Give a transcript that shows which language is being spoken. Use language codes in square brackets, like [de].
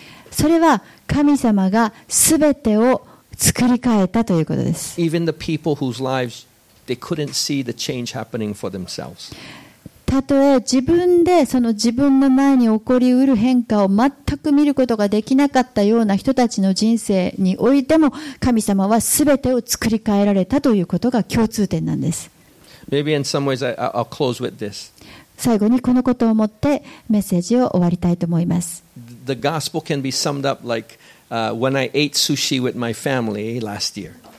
[ja] それは神様がすべてを作り変えたということです。 [en] Even the people whose lives they couldn't see the change happening for themselves. [ja] たとえ自分でその自分の前に起こりうる変化を全く見ることができなかったような人たちの人生においても、神様はすべてを作り変えられたということが共通点なんです。 [en] Maybe in some ways I'll close with this. [ja] 最後にこのことを持ってメッセージを終わりたいと思います。 [en] The gospel can be summed up like when I ate sushi with my family last year.